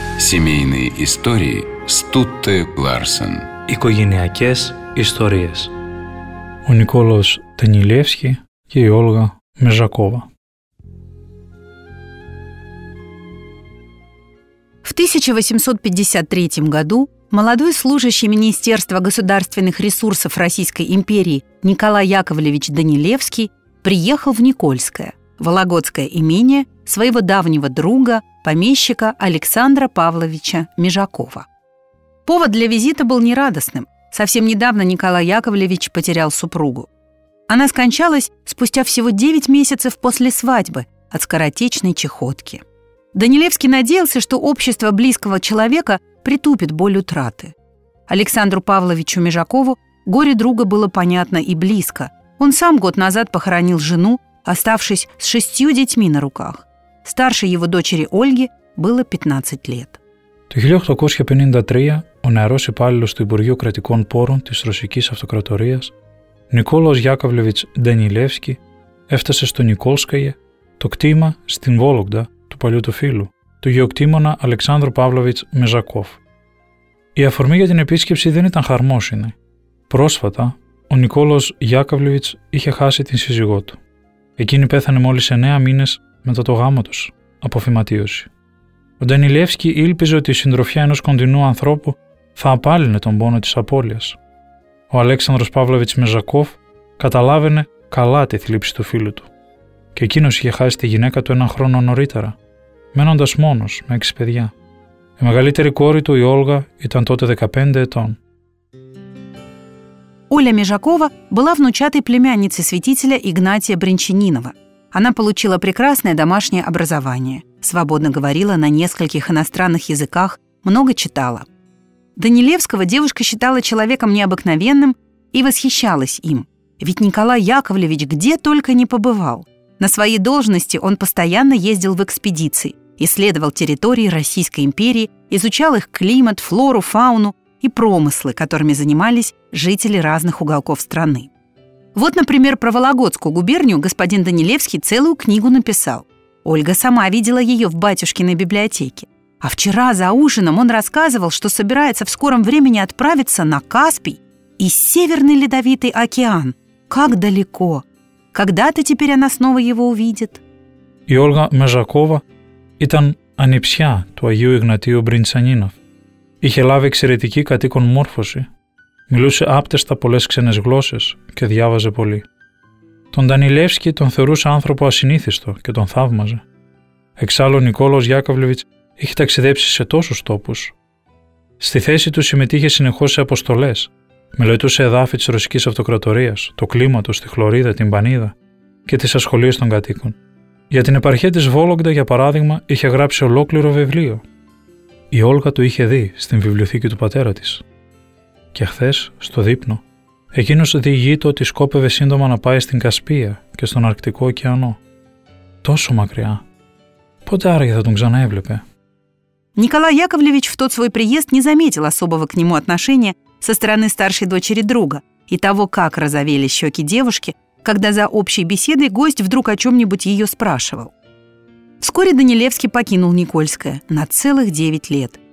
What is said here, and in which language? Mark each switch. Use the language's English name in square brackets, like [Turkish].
[Russian] Семейные истории Стутте Ларсен. [Greek] Οικογενειακές ιστορίες. Ο Νικόλος Τενιλεύσκι και η Όλγα Μεζακόβα. [Russian] В 1853 году молодой служащий Министерства государственных ресурсов Российской империи Николай Яковлевич Данилевский приехал в Никольское, Вологодское имение своего давнего друга, помещика Александра Павловича Межакова. Повод для визита был нерадостным. Совсем недавно Николай Яковлевич потерял супругу. Она скончалась спустя всего 9 месяцев после свадьбы от скоротечной чахотки. Данилевский надеялся, что общество близкого человека притупит боль утраты. Александру Павловичу Межакову горе друга было понятно и близко. Он сам год назад похоронил жену, оставшись с 6 детьми на руках. Старшей его дочери Ольге было 15 лет. [Greek] Το 1853 ο νεαρός υπάλληλος του Υπουργείου Κρατικών Πόρων της Ρωσικής Αυτοκρατορίας, Νικόλαος Γιάκοβλεβιτς Ντανιλεύσκι, έφτασε στο Νικόλσκαγε, το κτήμα στην Βόλογδα του παλιού του φίλου, του γεωκτήμονα Αλεξάνδρου Παύλοβιτς Μεζακόφ. Η αφορμή για την επίσκεψη δεν ήταν χαρμόσυνη. Πρόσφατα, ο Νικόλαος Γιάκοβλεβιτς είχε χάσει την σύζυγό του. Εκείνη πέθανε μόλις 9 μήνες μετά το γάμο τους, από φυματίωση. Ο Ντανιλεύσκι ήλπιζε ότι η συντροφιά ενός κοντινού ανθρώπου θα απάλυνε τον πόνο της απώλειας. Ο Αλέξανδρος Παύλοβιτς Μεζακόφ καταλάβαινε καλά τη θλίψη του φίλου του. Και εκείνος είχε χάσει τη γυναίκα του έναν χρόνο νωρίτερα, μένοντας μόνος με 6 παιδιά. Η μεγαλύτερη κόρη του, η Όλγα, ήταν τότε 15 ετών. [Russian] Оля Межакова была внучатой племянницей святителя Игнатия Брянчанинова. Она получила прекрасное домашнее образование, свободно говорила на нескольких иностранных языках, много читала. Данилевского девушка считала человеком необыкновенным и восхищалась им. Ведь Николай Яковлевич где только не побывал. На своей должности он постоянно ездил в экспедиции, исследовал территории Российской империи, изучал их климат, флору, фауну и промыслы, которыми занимались жители разных уголков страны. Вот, например, про Вологодскую губернию господин Данилевский целую книгу написал. Ольга сама видела ее в батюшкиной библиотеке. А вчера за ужином он рассказывал, что собирается в скором времени отправиться на Каспий и Северный Ледовитый океан. Как далеко! Когда-то теперь она снова его увидит. [Greek] И Ольга Межакова ήταν ανιψιά του Αγίου Ιγνατίου Μπριντσανίνοφ. Είχε λάβει εξαιρετική κατοίκον μόρφωση. Μιλούσε άπτεστα πολλές ξένες γλώσσες και διάβαζε πολύ. Τον Ντανιλεύσκι τον θεωρούσε άνθρωπο ασυνήθιστο και τον θαύμαζε. Εξάλλου ο Νικόλαος Γιάκοβλεβιτς είχε ταξιδέψει σε τόσους τόπους. Στη θέση του συμμετείχε συνεχώς σε αποστολές. Μελετούσε εδάφη της Ρωσικής Αυτοκρατορίας, το κλίμα του, τη Χλωρίδα, την Πανίδα και τις ασχολίες των κατοίκων. Για την επαρχία της Βόλογδα, για παράδειγμα, είχε γράψει ολόκληρο βιβλίο. Η Όλγα του είχε δει στην βιβλιοθήκη του πατέρα της. Και χθες, στο δείπνο, εκείνος διηγείται ότι σκόπευε σύντομα να πάει στην Κασπία και στον Αρκτικό ωκεανό. Τόσο μακριά. Πότε άραγε θα τον ξαναέβλεπε. [Russian] Николай Яковлевич в тот свой приезд не заметил особого к нему отношения со стороны старшей дочери друга и того, как розовели щеки девушки, когда за общей беседой гость вдруг о чем-нибудь ее спрашивал. Вскоре Данилевский покинул Никольское на целых 9 лет.